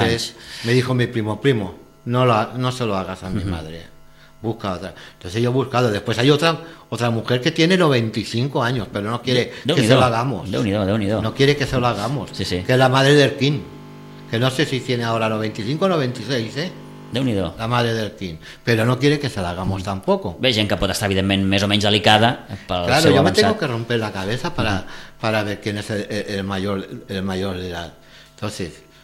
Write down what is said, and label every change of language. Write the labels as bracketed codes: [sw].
[es] Entonces me dijo mi primo, no se lo hagas a mi madre, busca otra. Entonces yo he buscado, después hay otra mujer que tiene 95 años, pero no quiere que se lo hagamos. [ca] Deu-n'hi-do. [es] No quiere que se lo hagamos, sí, sí. Que es la madre del Quim. Que no sé si tiene ahora 95 o 96, [ca] Déu-n'hi-do. [es] La madre del Quim. [ca] Però [es] no quiere que se la hagamos tampoco. [ca] Bé, gent que pot estar, evidentment, més o menys delicada pel [es] claro, [ca] seu avançat. [es] Claro, yo me tengo que romper la cabeza para ver quién es el mayor de edad. Entonces,